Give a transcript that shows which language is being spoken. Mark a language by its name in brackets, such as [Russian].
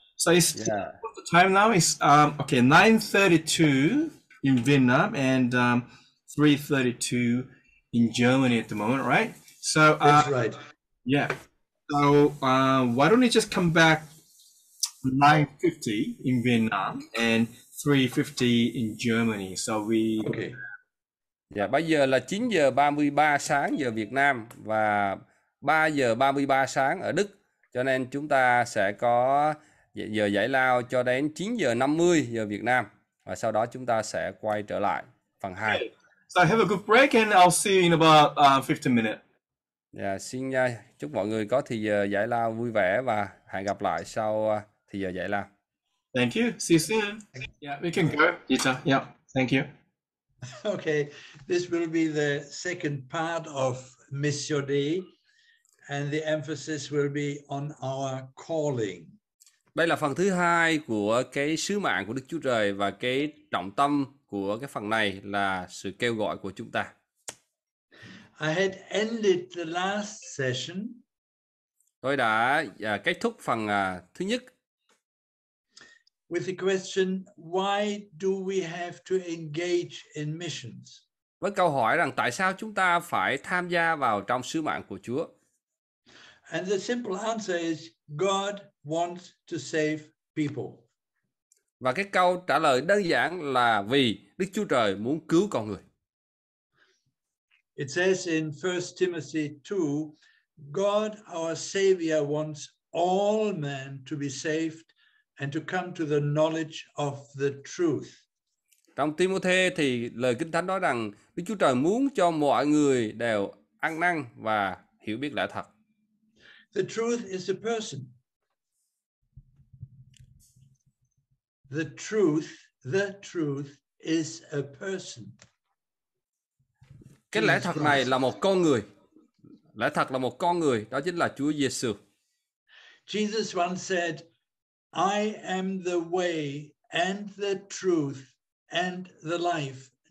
[English] So it's the time now is, 9:32 in Vietnam and 3:32 in Germany at the moment, right? So, that's right. Yeah. So why don't you just come back 9:50 in Vietnam and 3:50 in Germany. So we okay. [Vietnamese] Yeah, bây giờ là 9:33 sáng giờ Việt Nam và 3:33 sáng ở Đức. Cho nên chúng ta sẽ có giờ giải lao cho đến 9:50 giờ Việt Nam và sau đó chúng ta sẽ quay trở lại phần 2. [English] Okay. So have a good break and I'll see you in about 15 minutes. [Vietnamese] Yeah, xin chúc mọi người có thời giờ giải lao vui vẻ và hẹn gặp lại sau thì giờ dạy là. [English] Thank you. See you soon. Yeah, we can go. Dieter. Yeah. Thank you. Okay. This will be the second part of Missio Dei and the emphasis will be on our calling. [Vietnamese] Đây là phần thứ hai của cái sứ mạng của Đức Chúa Trời và cái trọng tâm của cái phần này là sự kêu gọi của chúng ta. [English] I had ended the last session. [Vietnamese] Tôi đã kết thúc phần thứ nhất [English] with the question, why do we have to engage in missions? [Vietnamese] Với câu hỏi rằng tại sao chúng ta phải tham gia vào trong sứ mạng của Chúa? [English] And the simple answer is God wants to save people. [Vietnamese] Và cái câu trả lời đơn giản là vì Đức Chúa Trời muốn cứu con người. [English] It says in 1 Timothy 2, God our Savior wants all men to be saved and to come to the knowledge of the truth. [Vietnamese] Trong Timôthê thì lời Kinh Thánh nói rằng Đức Chúa Trời muốn cho mọi người đều ăn năn và hiểu biết lẽ thật. [English] The truth is a person. The truth is a person. [Vietnamese] Cái lẽ thật này là một con người. Lẽ thật là một con người, đó chính là Chúa Giêsu. [English] Jesus once said, I am the way and the truth and the life.